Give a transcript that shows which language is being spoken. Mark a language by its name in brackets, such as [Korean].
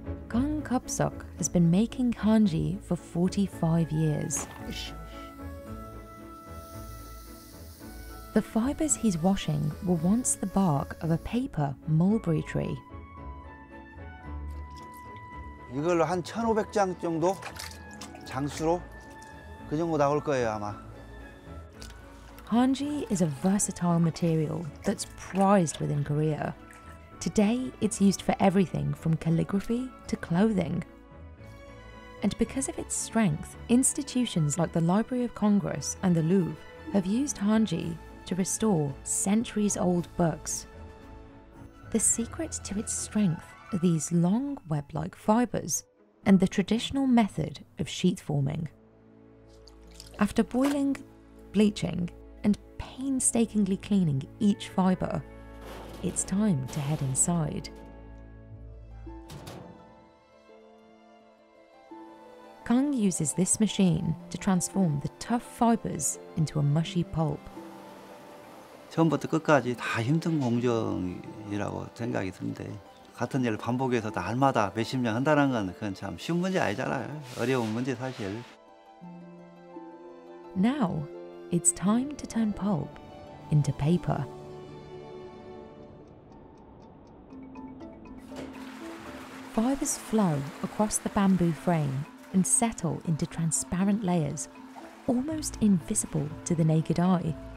[English] Kang Kupsok has been making Hanji for 45 years. The fibres he's washing were once the bark of a paper mulberry tree. [Korean] 이걸로 한 1,500장 정도 장수로 그 정도 나올 거예요 아마. [English] Hanji is a versatile material that's prized within Korea. Today, it's used for everything from calligraphy to clothing. And because of its strength, institutions like the Library of Congress and the Louvre have used Hanji to restore centuries-old books. The secret to its strength are these long web-like fibers and the traditional method of sheet forming. After boiling, bleaching, and painstakingly cleaning each fiber, It's time to head inside. Kung uses this machine to transform the tough fibers into a mushy pulp. [Korean] 처음부터 끝까지 다 힘든 공정이라고 생각이 드는데 같은 일을 반복해서 날마다 몇십 년 한다는 건 그건 참 쉬운 문제 아니잖아요. 어려운 문제 사실. [English] Now, it's time to turn pulp into paper. 5 flow across the bamboo frame and settle into transparent layers, almost invisible to the naked eye.